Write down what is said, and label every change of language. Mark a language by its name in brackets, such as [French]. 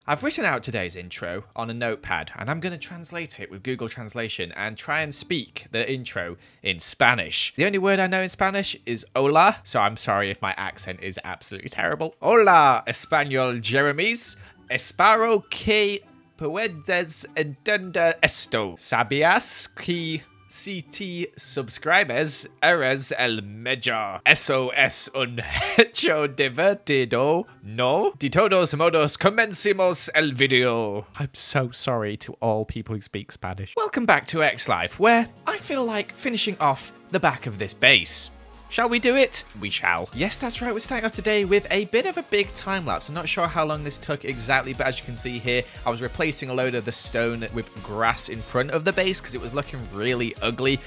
[English] I've written out today's intro on a notepad, and I'm going to translate it with Google Translation and try and speak the intro in Spanish. The only word I know in Spanish is hola, so I'm sorry if my accent is absolutely terrible. [Spanish] Hola, Español Jeremies. Espero que puedes entender esto. ¿Sabías que si te suscribes eres el mejor? Eso es un hecho divertido, ¿no? De todos modos, comencemos el video. [English] I'm so sorry to all people who speak Spanish. Welcome back to X Life, where I feel like finishing off the back of this base. Shall we do it? We shall. Yes, that's right. We're starting off today with a bit of a big time lapse. I'm not sure how long this took exactly, but as you can see here, I was replacing a load of the stone with grass in front of the base because it was looking really ugly.